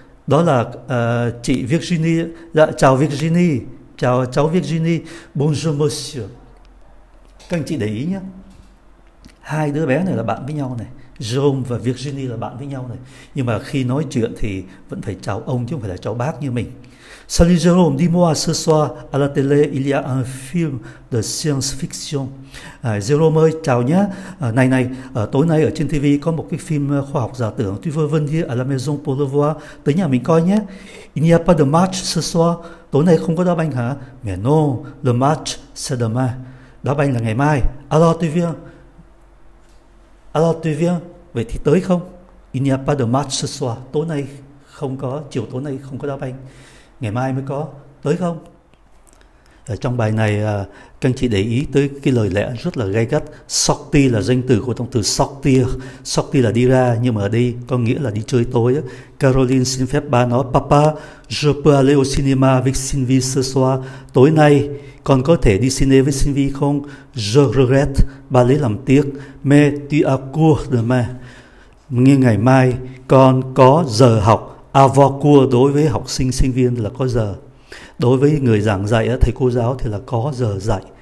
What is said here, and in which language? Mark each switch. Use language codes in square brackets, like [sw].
[vi] Đó là chị Virginie. Dạ, chào Virginie. Chào cháu Virginie. [fr] Bonjour Monsieur. [vi] Các anh chị để ý nhé. Hai đứa bé này là bạn với nhau này. Jerome và Virginie là bạn với nhau này. Nhưng mà khi nói chuyện thì vẫn phải chào ông chứ không phải là chào bác như mình. [fr] Salut Jerome, dis-moi ce soir à la télé, il y a un film de science-fiction. [vi] À, Jerome ơi, chào nhé. À, này này, tối nay ở trên TV có một cái phim khoa học giả tưởng. [fr] Tu veux venir à la maison pour le voir? [vi] Tới nhà mình coi nhé. [fr] Il n'y a pas de match ce soir. [vi] Tối nay không có đá banh hả? [fr] Mais non, le match c'est demain. [vi] Đá banh là ngày mai. [fr] Alors tu viens? Alors tu viens? [vi] Vậy thì tới không? [fr] Il n'y a pas de match ce soir. [vi] Tối nay không có, chiều tối nay không có đá banh. Ngày mai mới có, tới không? Ở trong bài này, các anh chị để ý tới cái lời lẽ rất là gay gắt. Sortie là danh từ của động từ sortir. Sortie là đi ra, nhưng mà ở đây có nghĩa là đi chơi tối. Caroline xin phép ba nó, [fr] Papa, je peux aller au cinéma avec Sylvie ce soir. [vi] Tối nay, con có thể đi cine với Sylvie không? [fr] Je regrette, [vi] ba lấy làm tiếc. [fr] Mais tu as cours demain. [vi] Nhưng ngày mai, con có giờ học. Avoir cours đối với học sinh sinh viên là có giờ, đối với người giảng dạy thầy cô giáo thì là có giờ dạy.